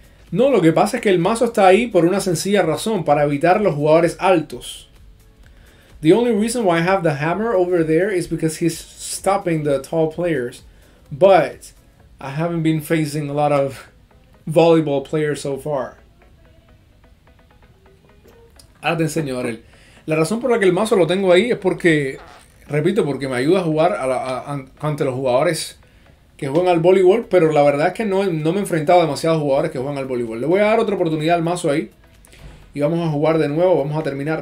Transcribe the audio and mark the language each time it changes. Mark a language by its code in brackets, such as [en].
[es] No, lo que pasa es que el mazo está ahí por una sencilla razón. Para evitar los jugadores altos. [en] The only reason why I have the hammer over there is because he's stopping the tall players. But I haven't been facing a lot of volleyball players so far. [es] Ahora te enseño, Darrell. La razón por la que el mazo lo tengo ahí es porque, repito, porque me ayuda a jugar ante los jugadores que juegan al voleibol, pero la verdad es que no me he enfrentado a demasiados jugadores que juegan al voleibol. Le voy a dar otra oportunidad al mazo ahí y vamos a jugar de nuevo, vamos a terminar.